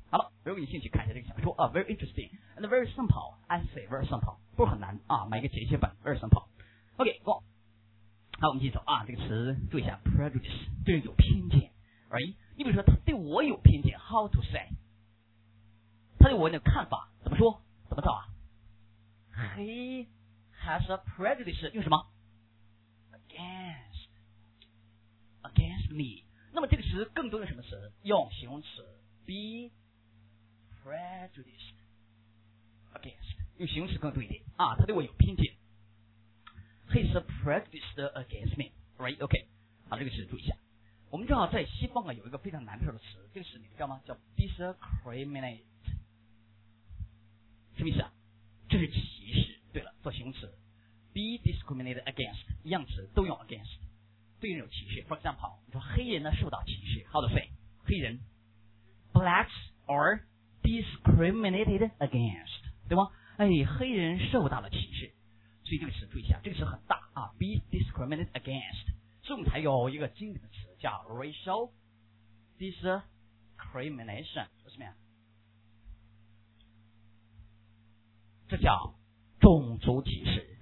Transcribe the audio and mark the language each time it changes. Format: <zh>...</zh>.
<zh>好了，如果你兴趣看一下这个小说啊 ，</zh> <en>very interesting and very simple. I say very simple,</en> <zh>不是很难啊，买一个简写本</zh> <en>，very simple. OK, go.</en> <zh>好，我们继续走啊，这个词注意一下 ，prejudice 对人有偏见 ，right? 你比如说他对我有偏见 ，</zh> <en>how to say?</en> <zh>他对我的看法怎么说？怎么造啊</zh> <en>？He has a prejudice.</en> <zh>用什么？ Against me， 那么这个词更多用什么词？用形容词</zh> <en>be prejudiced against，</en> <zh>用形容词更多一点啊。他对我有偏见 ，</zh> <en>he's prejudiced against me，</en> <zh>right？ OK， 好，这个词注意一下。我们知道在西方啊有一个非常难受的词，这个词你知道吗？叫 discriminate， 什么意思啊？这是歧视。对了，做形容词</zh> <en>be discriminated against，</en> <zh>一样词都用 against。对人有歧视 ，</zh> <en>For example，</en> <zh>你说黑人呢受到歧视 ，</zh> <en>How to say？黑人 ，Blacks are discriminated against，</en> <zh>对吗？哎，黑人受到了歧视，所以这个词注意一下，这个词很大啊 ，</zh> <en>be discriminated against。</en> <zh>所以我们才有一个经典的词叫</zh> <en>racial discrimination，</en> <zh>是什么呀？这叫种族歧视。</zh>